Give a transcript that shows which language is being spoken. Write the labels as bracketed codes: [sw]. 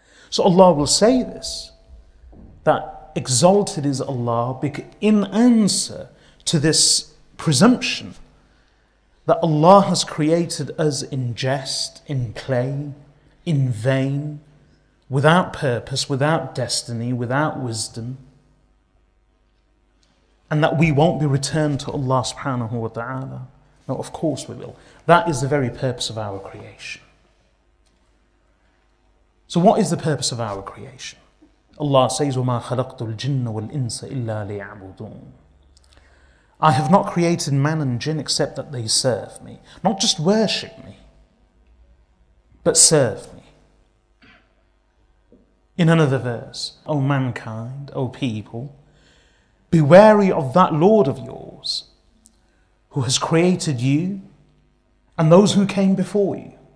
[en] So Allah will say this, that exalted is Allah, because in answer to this presumption that Allah has created us in jest, in play, in vain, without purpose, without destiny, without wisdom, and that we won't be returned to Allah subhanahu wa ta'ala. No, of course we will. That is the very purpose of our creation. So what is the purpose of our creation? Allah says, [ar] وَمَا خَلَقْتُ الْجِنَّ وَالْإِنسَ إِلَّا لِيَعْبُدُونَ. [en] I have not created man and jinn except that they serve me. Not just worship me, but serve me. In another verse, O mankind, O people, be wary of that Lord of yours who has created you and those who came before you.